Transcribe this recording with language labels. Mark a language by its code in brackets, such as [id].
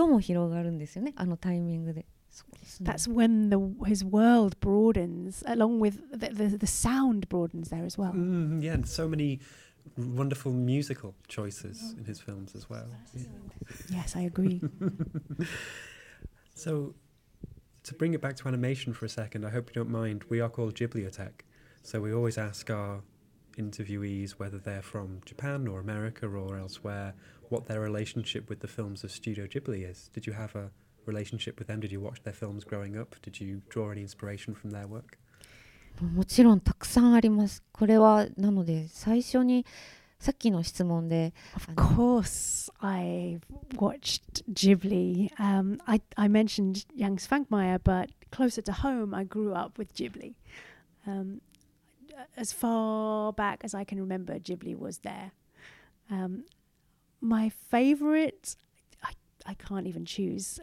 [ja] ここ彼の世界がこう広がる瞬間、音も広がるんですよね。あのタイミングで。 [en] That's when his world broadens, along with the sound broadens there as well. Mm, yeah, and so many wonderful musical choices in his films as well. Yeah. Yes, I agree. So, to bring it back to animation for a second, I hope you don't mind, we are called Ghibliotech, so we always ask our interviewees, whether they're from Japan or America or elsewhere, what their relationship with the films of Studio Ghibli is. Did you have a relationship with them? Did you watch their films growing up? Did you draw any inspiration from their work? [ja] もちろんたくさんあります。これはなので最初にさっきの質問で。 [en] Of course, I watched Ghibli. I mentioned Yang Svankmajer, but closer to home, I grew up with Ghibli. As far back as I can remember, Ghibli was there. My favorite, I can't even choose.